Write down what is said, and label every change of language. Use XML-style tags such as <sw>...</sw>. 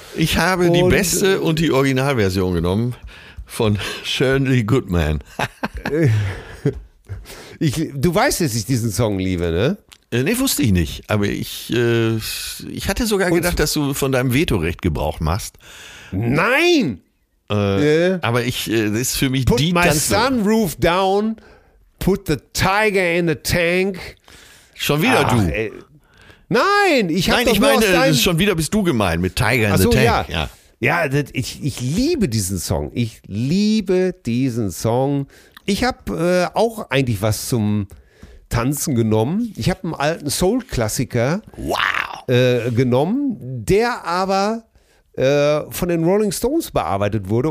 <de>Ich habe die beste und die Originalversion genommen von Shirley Goodman. Du weißt, dass ich diesen Song liebe, ne? Nee, wusste ich nicht. Aber ich hatte sogar gedacht, dass du von deinem Vetorecht Gebrauch machst. Nein! Aber ich, das ist für mich</de> <en>put</en> <de>die Tanz.</de> <en>Put my sunroof down, put the tiger in the tank.</en> <de>Schon wieder du. Nein, ich habe doch meine, nur aus deinem... Schon wieder bist du gemeint mit Tiger in the Tank. Ja. Ja, ich liebe diesen Song. Ich liebe diesen Song. Ich habe auch eigentlich was zum Tanzen genommen. Ich habe einen alten Soul-Klassiker genommen, der aber von den Rolling Stones bearbeitet wurde.</de>